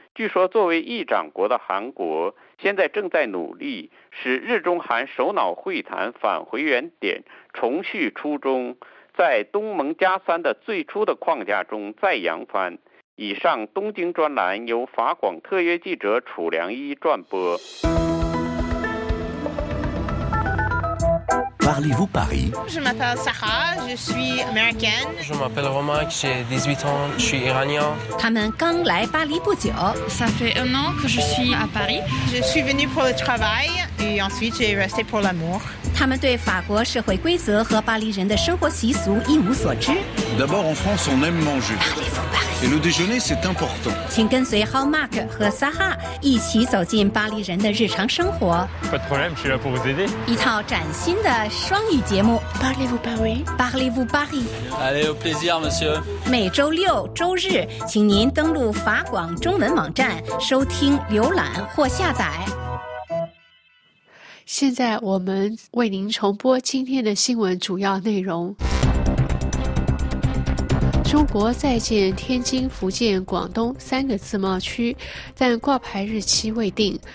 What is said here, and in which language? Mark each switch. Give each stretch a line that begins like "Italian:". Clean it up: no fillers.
Chinese: 据说作为议长国的韩国，现在正在努力使日中韩首脑会谈返回原点，重续初衷，在东盟加三的最初的框架中再扬帆。以上东京专栏由法广特约记者楚良一撰播。
French: Parlez-vous Paris? Je m'appelle Sarah, je suis américaine. Je m'appelle Romain, j'ai 18 ans, je suis iranien.
Chinese: 他们刚来巴黎不久。
French: Ça fait un an que je suis à Paris. Je suis venue pour le travail et ensuite j'ai resté pour l'amour.
Chinese: 他们对法国社会规则和巴黎人的生活习俗一无所知。
French: D'abord en France on aime manger. Parlez-vous Paris? Et le déjeuner c'est important.
Chinese: 请跟随 Hal Mark 和 Sarah 一起走进巴黎人的日常生活。
French: Pas de problème, je suis là pour vous aider.
Chinese: 一套崭新的双语节目
French: Parlez-vous Paris? Parlez-vous Paris? Allez, au plaisir, monsieur.
Chinese: 每周六、周日，请您登录法广中文网站收听、浏览或下载。现在我们为您重播今天的新闻主要内容。中国再建天津、福建、广东三个自贸区，但挂牌日期未定。